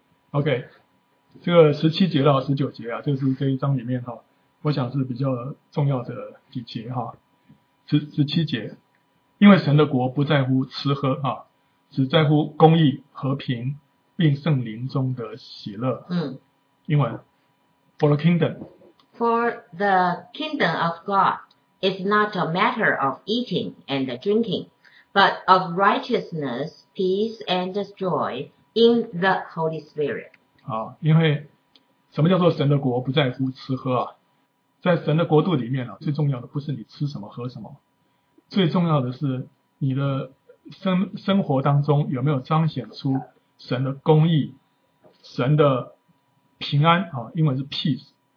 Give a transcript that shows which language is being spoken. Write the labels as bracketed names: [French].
[Chinese] OK, 这个17节到19节啊，就是这一章里面啊，我想是比较重要的几节啊。 17节，因为神的国不在乎吃喝啊，只在乎公义、和平并圣灵中的喜乐。英文 [English] For the kingdom. For the kingdom of God is not a matter of eating and drinking, but of righteousness, peace and joy in the Holy Spirit. [Chinese] 啊，因为什么叫做神的国不在乎吃喝啊？在神的国度里面啊，最重要的不是你吃什么喝什么，最重要的是你的生活当中有没有彰显出神的公义、神的平安啊，英文是 peace。